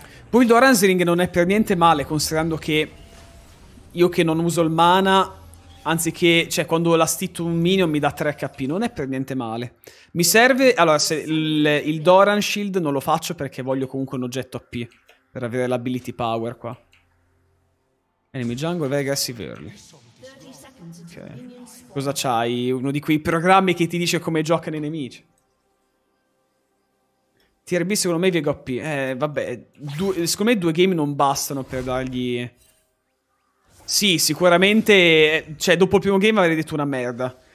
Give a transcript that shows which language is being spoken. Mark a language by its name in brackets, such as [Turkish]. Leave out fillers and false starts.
[Italian] Poi il Doran's Ring non è per niente male, considerando che io che non uso il mana, anziché, cioè, quando la stitto un minion mi dà 3 HP, non è per niente male. Mi serve, allora, se il Doran Shield non lo faccio perché voglio comunque un oggetto AP, per avere l'ability power qua. [English] Enemy jungle, very aggressive early. [Italian] Ok. Cosa c'hai? Uno di quei programmi che ti dice come giocano i nemici. TRB secondo me viega OP. Vabbè, secondo me due game non bastano per dargli... Sì, sicuramente, cioè, dopo il primo game avrei detto una merda.